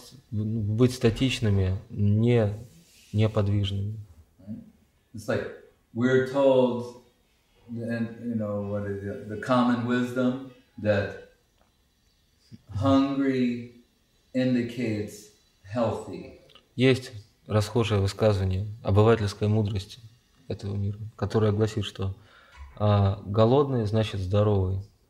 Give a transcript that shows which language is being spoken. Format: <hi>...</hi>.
<ru>Быть статичными, неподвижными.</ru> <en>It's like we're told, and you know what is the common wisdom, that hungry indicates healthy.</en> <ru>Есть расхожее высказывание обывательской мудрости этого мира, которое гласит, что голодный значит здоровый.</ru>